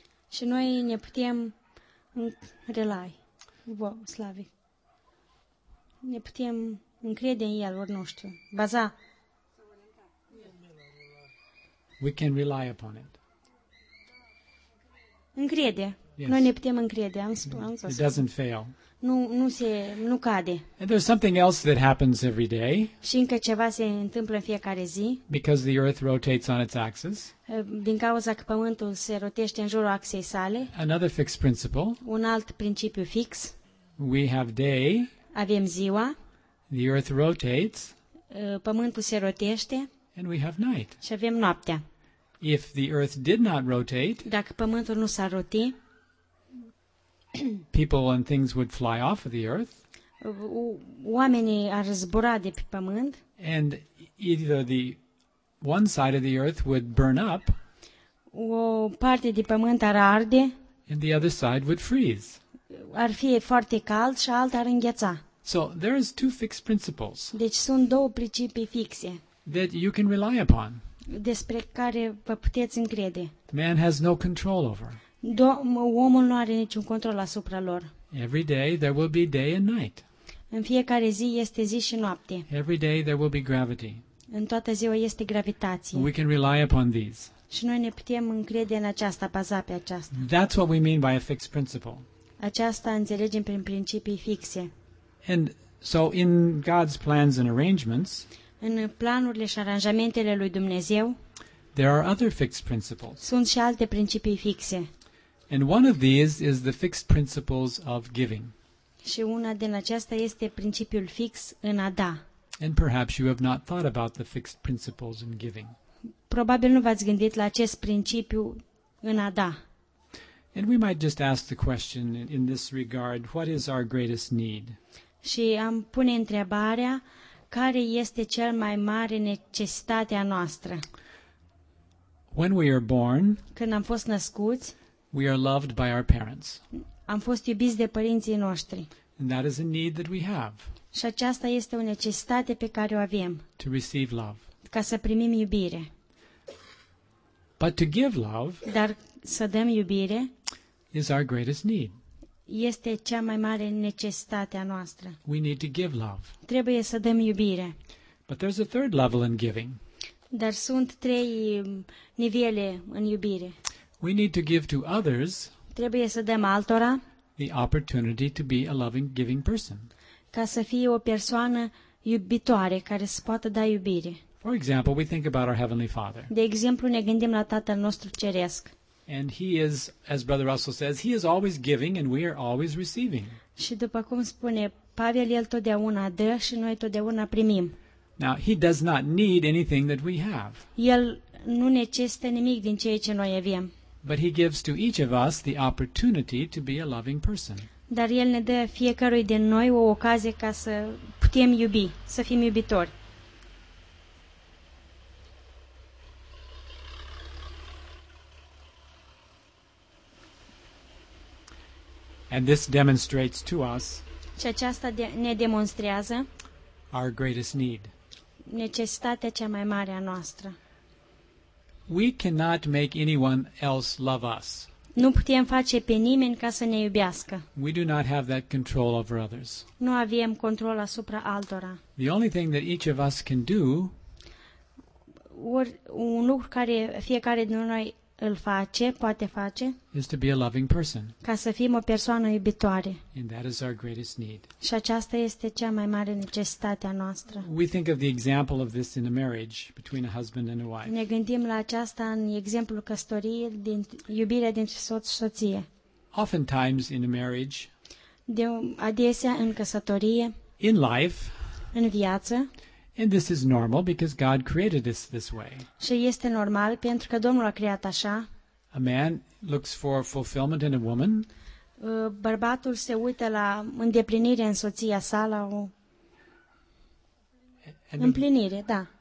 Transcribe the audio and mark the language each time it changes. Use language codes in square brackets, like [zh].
[ro] Și noi ne putem [en] rely. [ro] Slavi. Ne putem încrede în el, ori nu știu. Baza. [en] We can rely upon it. [ro] Încrede. Noi ne putem încrede, am speranța să. [en] It doesn't fail. [ro] Nu cade. [en] And there's something else that happens every day. [ro] Și încă ceva se întâmplă în fiecare zi. [en] Because the earth rotates on its axis. [ro] Din cauza că pământul se rotește în jurul axei sale. [en] Another fixed principle. [ro] Un alt principiu fix. [en] We have day. [ro] Avem ziua. [en] The earth rotates. [ro] Pământul se rotește. [en] And we have night. [ro] Și avem noaptea. [en] If the earth did not rotate. [ro] Dacă pământul nu s-ar roti. [en] People and things would fly off of the earth. [ro] Oamenii ar zbura de pe pământ. [en] And either the one side of the earth would burn up. [ro] O parte de pământ ar arde. [en] And the other side would freeze. [ro] Ar fi foarte cald și alta ar îngheța. [en] So there is two fixed principles. [ro] Deci sunt două principii fixe. [en] That you can rely upon. [ro] Despre care vă puteți încrede. [en] Man has no control over. [ro] Omul nu are niciun control asupra lor. [en] Every day there will be day and night. [ro] În fiecare zi este zi și noapte. [en] Every day there will be gravity. [ro] În toată ziua este gravitație. [en] We can rely upon these. [ro] Și noi ne putem încrede în aceasta, baza pe aceasta. [en] That's what we mean by a fixed principle. [ro] Aceasta înțelegem prin principii fixe. [en] And so in God's plans and arrangements, [ro] în planurile și aranjamentele lui Dumnezeu, [en] there are other fixed principles. [ro] Sunt și alte principii fixe. [en] And one of these is the fixed principles of giving. [ro] Și una din aceasta este principiul fix în a da. [en] And perhaps you have not thought about the fixed principles in giving. [ro] Probabil nu v-ați gândit la acest principiu în a da. [en] And we might just ask the question in this regard, what is our greatest need? [ro] Și am pune întrebarea, care este cel mai mare necesitatea noastră? [en] When we are born, [ro] când am fost născuți, [en] we are loved by our parents. [ro] Am fost iubiți de părinții noștri. [en] And that is a need that we have. [ro] Și aceasta este o necesitate pe care o avem. [en] To receive love. [ro] Ca să primim iubire. [en] But to give love, [ro] dar să dăm iubire, [en] is our greatest need. [ro] Este cea mai mare necesitate a noastră. [en] We need to give love. [ro] Trebuie să dăm iubire. [en] But there's a third level in giving. [ro] Dar sunt trei nivele în iubire. [en] We need to give to others. [ro] Trebuie să dăm altora. [en] The opportunity to be a loving, giving person. [ro] Ca să fie o persoană iubitoare care să poată da iubire. [en] For example, we think about our Heavenly Father. [ro] De exemplu, ne gândim la Tatăl nostru ceresc. [en] And he is, as Brother Russell says, he is always giving and we are always receiving. [ro] Și după cum spune Pavel, el totdeauna dă și noi totdeauna primim. [en] Now, he does not need anything that we have. [ro] El nu necesită nimic din ceea ce noi avem. [en] But he gives to each of us the opportunity to be a loving person. [ro] Dar el ne dă fiecărui din noi o ocazie ca să putem iubi, să fim iubitori. [en] And this demonstrates to us [ro] și aceasta ne demonstrează [en] our greatest need. [ro] Necesitatea cea mai mare a noastră. [en] We cannot make anyone else love us. [ro] Nu putem face pe nimeni ca să ne iubească. [en] We do not have that control over others. [ro] Nu avem control asupra altora. [en] The only thing that each of us can do, [ro] un lucru care fiecare dintre noi îl face, poate face, [en] is to be a loving person. [ro] Ca să fim o persoană iubitoare. [en] And that is our greatest need. [ro] Și aceasta este cea mai mare necesitate a noastră. [en] We think of the example of this in a marriage between a husband and a wife. [ro] Ne gândim la aceasta în exemplul căsătoriei, din iubirea dintre soț și soție. [en] Oftentimes in a marriage, [ro] adesea în căsătorie, [en] in life, [ro] în viață. [en] And this is normal because God created us this way. [ro] Și este normal pentru că Domnul a creat așa. [en] A man looks for fulfillment in a woman. [ro] Bărbatul se uită la îndeplinire în soția sa, la o împlinire, da.